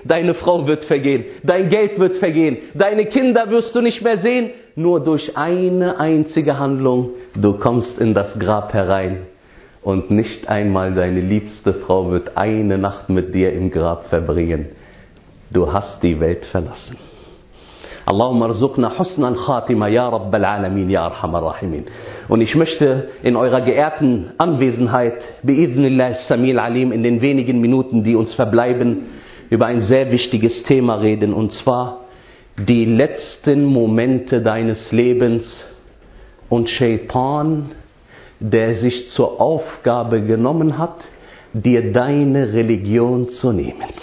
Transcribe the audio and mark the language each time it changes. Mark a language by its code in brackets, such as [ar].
[de] Deine Frau wird vergehen. Dein Geld wird vergehen. Deine Kinder wirst du nicht mehr sehen. Nur durch eine einzige Handlung. Du kommst in das Grab herein. Und nicht einmal deine liebste Frau wird eine Nacht mit dir im Grab verbringen. Du hast die Welt verlassen. [ar] اللهم ارزقنا حسن الخاتمه يا رب العالمين يا ارحم الراحمين. [de] Und ich möchte in eurer geehrten Anwesenheit [ar] bi'iznillah as-sami al-alim [de] in den wenigen Minuten, die uns verbleiben, über ein sehr wichtiges Thema reden, und zwar die letzten Momente deines Lebens und Shaytan, der sich zur Aufgabe genommen hat, dir deine Religion zu nehmen.